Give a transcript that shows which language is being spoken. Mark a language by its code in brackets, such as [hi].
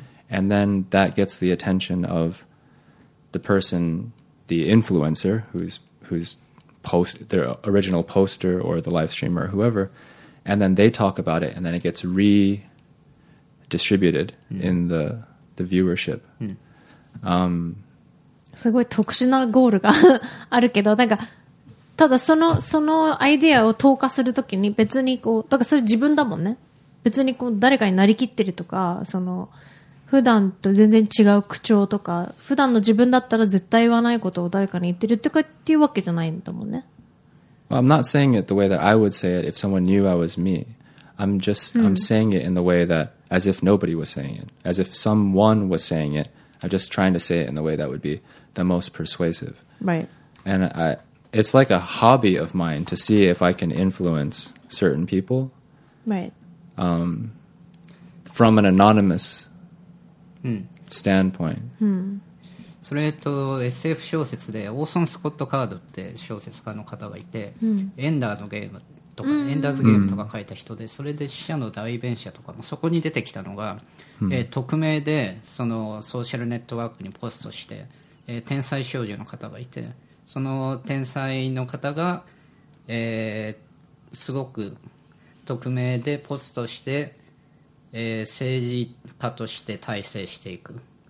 [en] And then that gets the attention of the person, the influencer, who's post, their original poster or the live streamer or whoever. And then they talk about it and then it gets redistributed in the viewership. [ja] すごい特殊なゴールがあるけど、なんかただそのアイデアを投下するときに別にこうだからそれ自分だもんね。別にこう誰かになりきってるとか、その普段と全然違う口調とか、普段の自分だったら絶対言わないことを誰かに言ってるとかっていうわけじゃないんだもんね。 [en] Well, I'm not saying it the way that I would say it if someone knew I was me. I'm just I'm saying it in the way that as if nobody was saying it, as if someone was saying it. I'm just trying to say it in the way that would be the most persuasive. Right. And it's like a hobby of mine to see if I can influence certain people. Right. From an anonymous standpoint. [ja] それと SF 小説でオーソン・スコット・カードって小説家の方がいて、うん、エンダーのゲームとか、うんうん、エンダーズゲームとか書いた人で、それで死者の代弁者とかもそこに出てきたのが、うん、匿名でそのソーシャルネットワークにポストして、天才少女の方がいて、その天才の方が、すごく匿名でポストして、政治家として大成していく。